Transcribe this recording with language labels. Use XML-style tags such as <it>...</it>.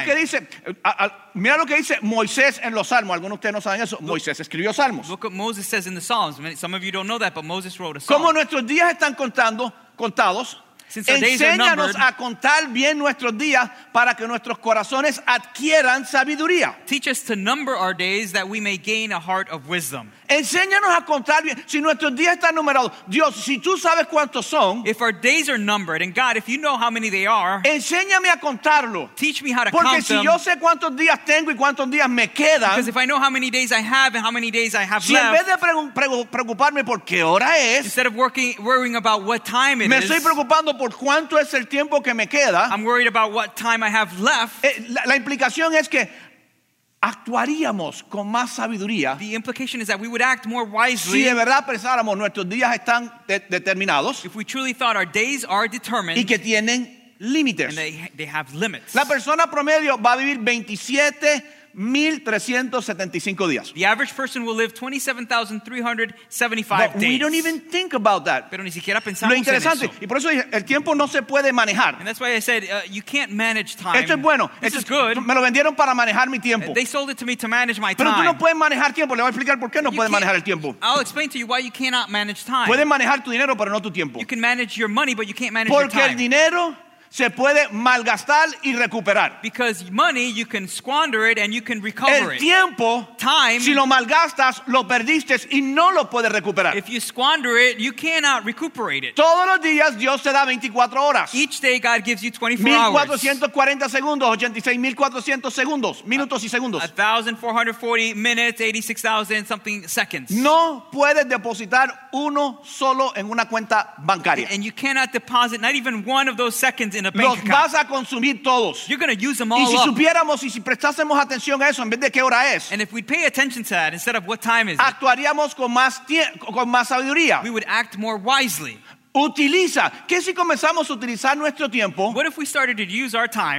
<es>Mira lo que dice, mira lo que dice Moisés en los Salmos. Algunos de ustedes no saben eso. Look, Moisés escribió Salmos.</es> <en>Look what Moses says in the Psalms. Some of you don't know that, but Moses wrote a Psalm.</en> <es>Como nuestros días están contados,</es> <en>Since our days are numbered,</en> <es>enséñanos a contar bien nuestros días para que nuestros corazones adquieran sabiduría.</es> <en>Teach us to number our days that we may gain a heart of wisdom.</en> <es>Enséñanos a contar bien. Si nuestros días están numerados, Dios, si tú sabes cuántos son.</es> <en>If our days are numbered, and God, if you know how many they are.</en> <es>Enséñame a contarlo.</es> <en>Teach me how to count them.</en> <es>Porque si yo sé cuántos días tengo y cuántos días me quedan.</es> <en>Because if I know how many days I have and how many days I have</en> <es>si</es> <en>left.</en> <es>Si en vez de preocuparme por qué hora es.</es> <en>Instead of worrying about what time it</en> <es>me</es> <en>is.</en> <es>Me estoy preocupando por cuánto es el tiempo que me queda.</es> <en>I'm worried about what time I have left.</en> <es>La implicación es que actuaríamos con más sabiduría.</es> <en>The implication is that we would act more wisely.</en> <es>Si de verdad pensáramos nuestros días están determinados.</es> <en>If we truly thought our days are determined.</en> <es>Y que tienen límites.</es> <en>And they have limits.</en> <es>La persona promedio va a vivir 27,375 días.</es> <en>The average person will live 27,375 But days. We don't even think about that.</en> <es>Pero ni siquiera pensamos lo interesante, en eso. Y por eso dije, el tiempo no se puede manejar.</es> <en>And that's why I said, you can't manage time.</en> <es>Esto es bueno.</es> <en>This</en> <es>esto</es> <en>is good.</en> <es>Me lo vendieron para manejar mi tiempo.</es> <en>They sold it to me to manage my time.</en> <es>Pero tú no puedes manejar tiempo. Le voy a explicar por qué no puedes manejar el tiempo.</es> <en>I'll explain to you why you cannot manage time.</en> <es>Puedes manejar tu dinero, pero no tu tiempo.</es> <en>You can manage your money, but you can't manage</en> <es>Porque</es> <en>your time.</en> <es>Porque el dinero se puede malgastar y recuperar.</es> <en>Because money, you can squander it and you can recover</en> <es>it. El tiempo,</es> <en>time,</en> <es>si lo malgastas, lo perdiste y no lo puedes recuperar.</es> <en>If you squander it, you cannot recuperate it.</en> <es>Todos los días Dios te da 24 horas.</es> <en>Each day God gives you 24</en> <es>1440 segundos, 86,400 segundos, minutos y segundos.</es> <en>1440 minutes, 86,000 something seconds.</en> <es>No puedes depositar uno solo en una cuenta bancaria.</es> <en>And you cannot deposit not even one of those seconds in a bank</en> <es>los vas a consumir todos.</es> <en>You're going to use them all</en> <es>y si</es> <en>up.</en> <es>Supiéramos y si prestásemos atención a eso en vez de qué hora es.</es> <en>And if we pay attention to that instead of what time is it.</en> <es>Actuaríamos con más sabiduría.</es> <en>We would act more wisely.</en> <es>Utiliza. ¿Qué si comenzamos a utilizar nuestro tiempo?</es> <en>What if we started to use our time?</en>